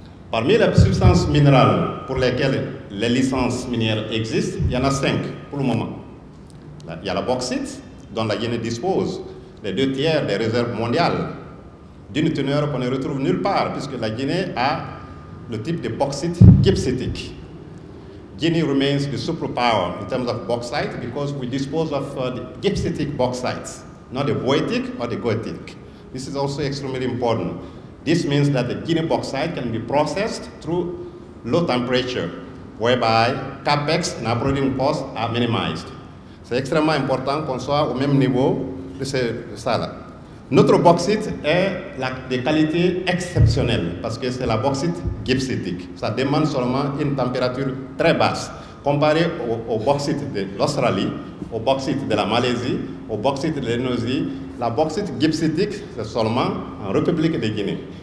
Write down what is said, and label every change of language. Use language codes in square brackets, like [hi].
[fr] Parmi les substances minérales pour lesquelles les licences minières existent, il y en a 5 pour le moment. Il y a la bauxite, dont la Guinée dispose des 2/3 des réserves mondiales, d'une teneur qu'on ne retrouve nulle part, puisque la Guinée a le type de bauxite gypsétique. [en] Guinea remains the superpower in terms of bauxite because we dispose of the gypsetic bauxites, not the boetic or the goetic. This is also extremely important This means that the Guinea bauxite can be processed through low temperature, whereby capex and operating costs are minimized. [fr] C'est extrêmement important qu'on soit au même niveau de ce ça-là. Notre bauxite est de qualité exceptionnelle parce que c'est la bauxite gibbsite. Ça demande seulement une température très basse. Comparé au bauxite de l'Australie, au bauxite de la Malaisie, au bauxite de l'Indonésie, la bauxite gibbsite, c'est seulement en République de Guinée.